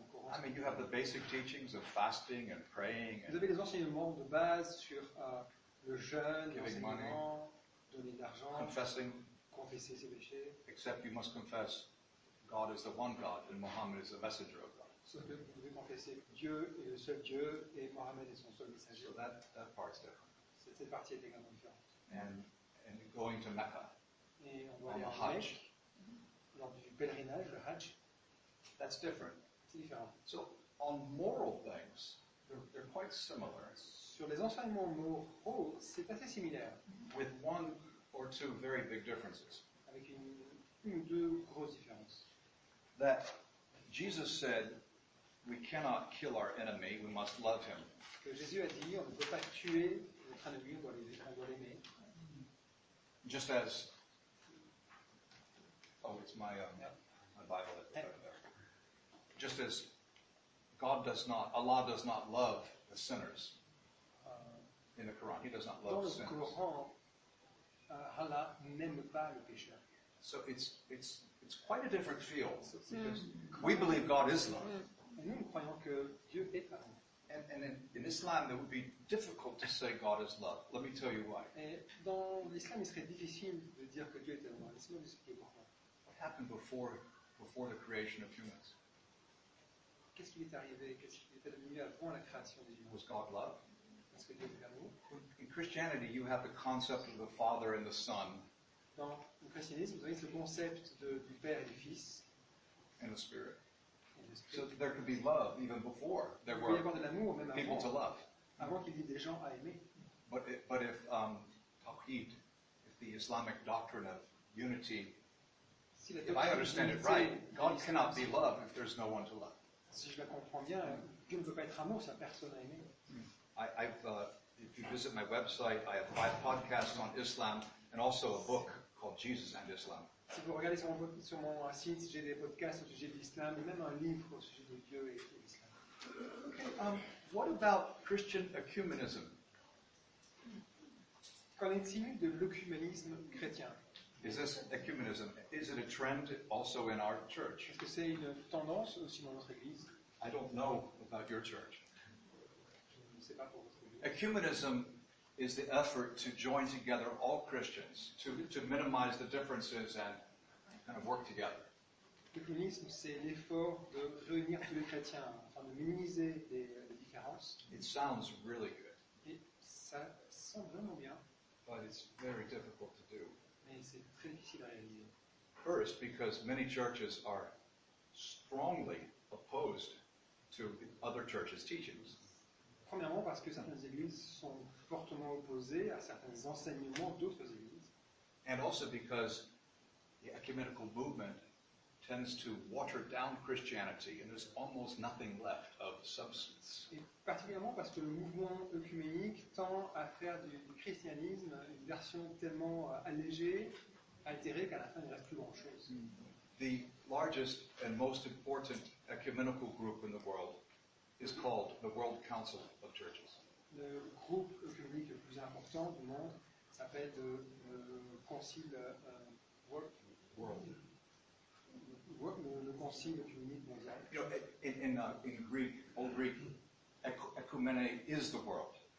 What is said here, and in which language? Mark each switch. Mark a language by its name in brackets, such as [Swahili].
[English] I mean, you have the basic teachings of fasting and praying. [French] Vous avez les enseignements de base sur le jeûne, l'enseignement, donner de l'argent, [English] confessing, [French] confesser ses péchés. [English] Except you must confess, God is the one God and Muhammad is the messenger of God. [French] Sauf que vous devez confesser que Dieu est le seul Dieu et Muhammad est son seul messager. [English] So that part is different. [French] Cette partie est également différente. [English] And going to Mecca. [French] Et on doit aller à Mecca. Lors du pèlerinage, le Hajj, [English] that's different. [French] C'est différent. [English] So, on moral things, they're quite similar. [French] Sur les enseignements moraux, c'est assez similaire. [English] With one or two very big differences. [French] Avec une ou deux grosses différences. [English] That Jesus said, we cannot kill our enemy, we must love him. [French] Que Jésus a dit, on ne peut pas tuer notre ennemi, on doit l'aimer. [English] Just as oh, it's my Bible that's over there. Just as Allah does not love the sinners in the Quran. He does not love [French] dans [English] sinners. [French] Dans le Coran, Allah n'aime pas le pécheur. [English] So it's quite a different field. Because we believe God is love. [French] Nous croyons que Dieu est l'amour. [English] And in Islam, it would be difficult to say God is love. Let me tell you why. [French] Et dans l'islam, il serait difficile de dire que Dieu est l'amour. Laissez-moi vous expliquer pourquoi. [English] Happened before the creation of humans. [French] qu'est-ce qui est arrivé, qu'est-ce qui était devenu avant la création des humains? [English] Was God love? [French] Est-ce que Dieu est l'amour? [English] In Christianity, you have the concept of the Father and the Son. [French] Dans le christianisme, vous avez ce concept du Père et du Fils. [English] And the Spirit. So there could be love even before there were [French] avoir de l'amour, même [English] people to love. [French] Avant qu'il y ait des gens à aimer. [English] But if Tawhid, if the Islamic doctrine of unity, [French] si [English] if I understand it right, God cannot be love if there's no one to love. [French] Si je la comprends bien, Dieu ne peut pas être amour si personne à aimer. [English] If you visit my website, I have 5 podcasts on Islam and also a book called Jesus and Islam. [French] Si vous regardez sur mon site, j'ai des podcasts au sujet de l'islam, et même un livre au sujet de Dieu et de l'islam. [English] What about Christian ecumenism? [French] Qu'en est-il de l'œcuménisme chrétien? [English] Is this ecumenism? Is it a trend also in our church? [French] Est-ce que c'est une tendance aussi dans notre église? [English] I don't know about your church. [French] Je ne sais pas pour votre église. [English] Ecumenism is the effort to join together all Christians to minimize the differences and kind of work together. [French] L'œcuménisme, c'est l'effort de réunir tous les chrétiens afin de minimiser les différences. [English] It sounds really good. [French] Et ça sonne vraiment bien. [English] But it's very difficult to do. [French] Mais c'est très difficile à réaliser. [English] First, because many churches are strongly opposed to other churches' teachings. [French] Premièrement, parce que certaines églises sont fortement opposées à certains enseignements d'autres églises. [English] And also because the ecumenical movement tends to water down Christianity and there's almost nothing left of substance. [French] Et particulièrement parce que le mouvement œcuménique tend à faire du christianisme une version tellement allégée, altérée, qu'à la fin, il ne reste plus grand-chose. [English] The largest and most important ecumenical group in the world is called the World Council of Churches. [French] Le groupe œcuménique le plus important du monde s'appelle le Concile [English] World. [French] Le Concile œcuménique mondial. [English] You know, in Greek, old Greek, ecumene is the world.